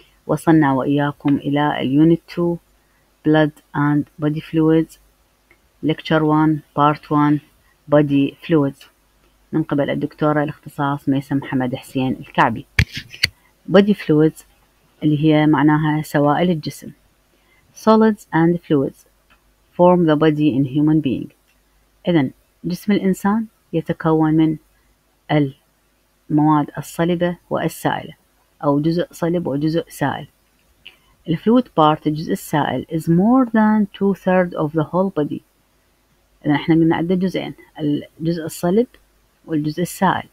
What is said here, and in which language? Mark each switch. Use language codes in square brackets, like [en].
[ar] وصلنا وإياكم إلى اليونت 2 [en] Blood and Body Fluids [ar] Lecture 1 Part 1 Body Fluids من قبل الدكتورة الاختصاص ميسم حمد حسين الكعبي. [en] Body Fluids [ar] اللي هي معناها سوائل الجسم. [en] Solids and Fluids Form the Body in Human Being. [ar] إذن جسم الإنسان يتكون من المواد الصلبة والسائلة، أو جزء صلب وجزء سائل. [en] The fluid part, [ar] الجزء السائل, [en] is more than two-thirds of the whole body. [ar] إذن إحنا قلنا عدة جزئين، الجزء الصلب والجزء السائل.